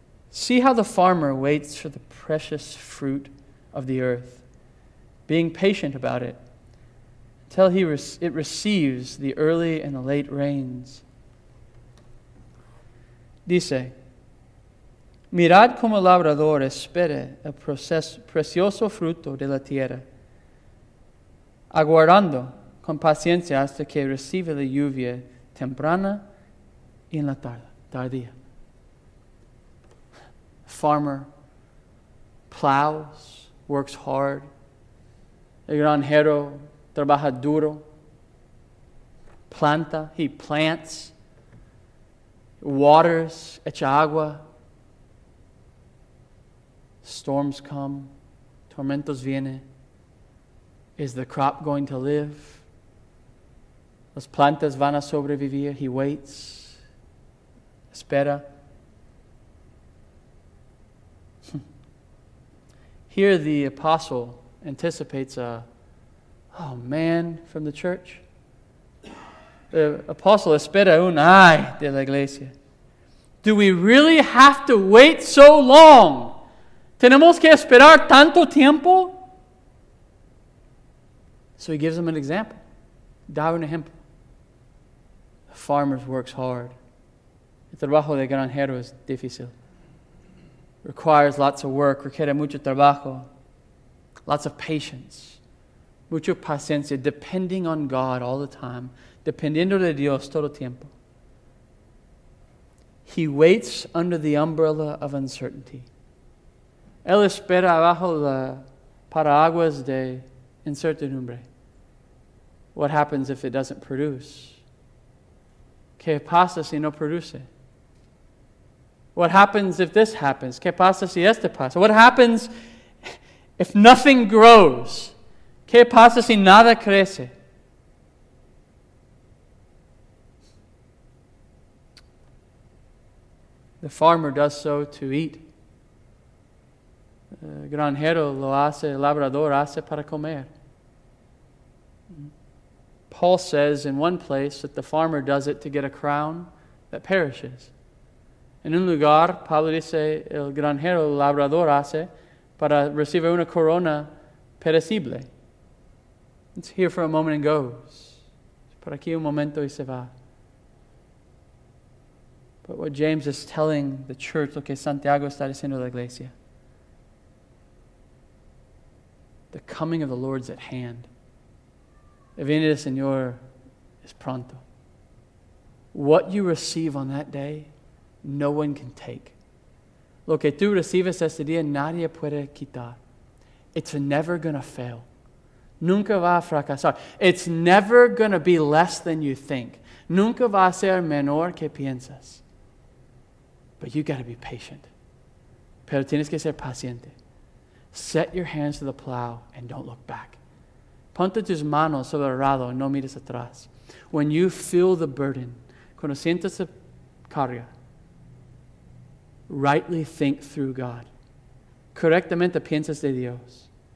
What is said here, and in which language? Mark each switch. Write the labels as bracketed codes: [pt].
[en] See how the farmer waits for the precious fruit of the earth, being patient about it, until it receives the early and the late rains. [es] Dice, mirad como el labrador espera el precioso fruto de la tierra, aguardando con paciencia hasta que reciba la lluvia temprana y en la tardía. [en] Farmer plows, works hard. [es] El granjero trabaja duro. Planta, [en] he plants. Waters, [es] echa agua. [en] Storms come, [es] tormentos vienen. [en] Is the crop going to live? [es] Las plantas van a sobrevivir. [en] He waits. [es] espera. [en] Here the apostle anticipates a man from the church. The apostle [es] espera un ay de la iglesia. [en] Do we really have to wait so long? [es] ¿Tenemos que esperar tanto tiempo? [en] So he gives them an example. [es] Da un ejemplo. [en] The farmer works hard. [es] El trabajo de granjero es difícil. [en] Requires lots of work, [es] requiere mucho trabajo, [en] lots of patience, [es] mucho paciencia, depending on God all the time, dependiendo de Dios todo el tiempo. [en] He waits under the umbrella of uncertainty. [es] Él espera bajo la paraguas de incertidumbre. [en] What happens if it doesn't produce? [es] ¿Qué pasa si no produce? [en] What happens if this happens? [es] ¿Qué pasa si este pasa? [en] What happens if nothing grows? [es] ¿Qué pasa si nada crece? [en] The farmer does so to eat. [es] The granjero lo hace, el labrador hace para comer. [en] Paul says in one place that the farmer does it to get a crown that perishes. [es] En un lugar, Pablo dice, el granjero, el labrador hace para recibir una corona perecible. [en] It's here for a moment and goes. [es] Por aquí un momento y se va. [en] But what James is telling the church, [es] lo que Santiago está diciendo a la iglesia, [en] the coming of the Lord's at hand. [es] El viene del Señor es pronto. [en] What you receive on that day, no one can take. [es] Lo que tú recibes ese día, nadie puede quitar. [en] It's never going to fail. [es] Nunca va a fracasar. [en] It's never going to be less than you think. [es] Nunca va a ser menor que piensas. [en] But you got to be patient. [es] Pero tienes que ser paciente. [en] Set your hands to the plow and don't look back. [es] Ponte tus manos sobre el arado y no mires atrás. [en] When you feel the burden, [es] cuando sientes la carga, rightly think through God. Correctamente piensas de Dios.